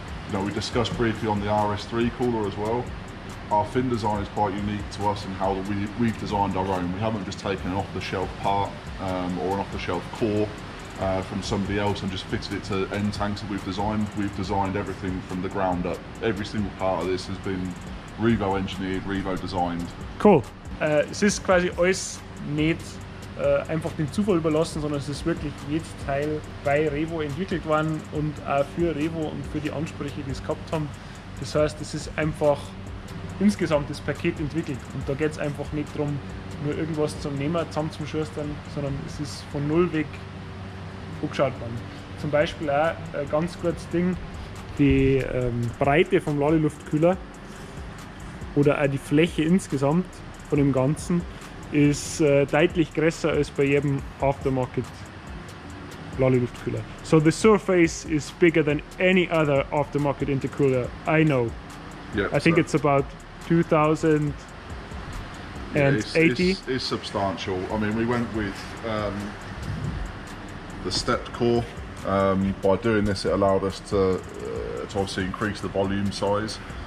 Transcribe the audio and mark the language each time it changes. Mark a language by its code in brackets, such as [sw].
[en] You know, we discussed briefly on the RS3 cooler as well. Our fin design is quite unique to us in how we've designed our own. We haven't just taken an off-the-shelf part or an off-the-shelf core from somebody else and just fitted it to end tanks that we've designed. We've designed everything from the ground up. Every single part of this has been Revo engineered, Revo designed. Cool. [de] Es ist quasi alles nicht einfach dem Zufall überlassen, sondern es ist wirklich jedes Teil bei Revo entwickelt worden und auch für Revo und für die Ansprüche, die es gehabt haben. Das heißt, es ist einfach insgesamt das Paket entwickelt und da geht es einfach nicht darum, nur irgendwas zum Nehmen zusammen zum Schustern, sondern es ist von null weg angeschaut worden. Zum Beispiel auch ein ganz gutes Ding, die Breite vom Ladeluftkühler oder auch die Fläche insgesamt von dem Ganzen ist deutlich größer als bei jedem Aftermarket Ladeluftkühler. [en] So the surface is bigger than any other aftermarket intercooler I know. Yep, I think so. It's about 2000 and 80. It's substantial. I mean, we went with the stepped core. By doing this, it allowed us to obviously increase the volume size.